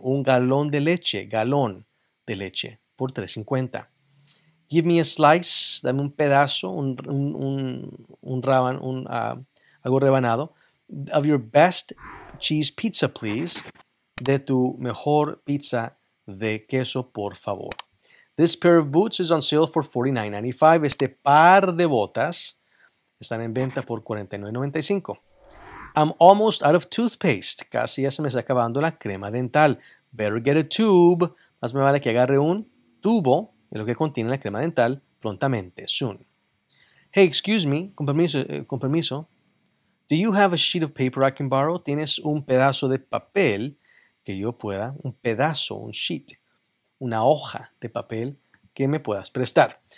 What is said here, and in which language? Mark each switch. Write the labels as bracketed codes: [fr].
[es] Un galón de leche por $3.50. [en] Give me a slice, [es] dame un pedazo, algo rebanado, [en] of your best cheese pizza, please. [es] De tu mejor pizza de queso, por favor. [en] This pair of boots is on sale for $49.95. [es] Este par de botas están en venta por $49.95. [en] I'm almost out of toothpaste. [es] Casi ya se me está acabando la crema dental. [en] Better get a tube. [es] Más me vale que agarre un tubo, en lo que contiene la crema dental, [en] prontamente, soon. Hey, excuse me, [es] con permiso. [en] Do you have a sheet of paper I can borrow? [es] ¿Tienes un pedazo de papel que yo pueda, un pedazo, un sheet, una hoja de papel que me puedas prestar?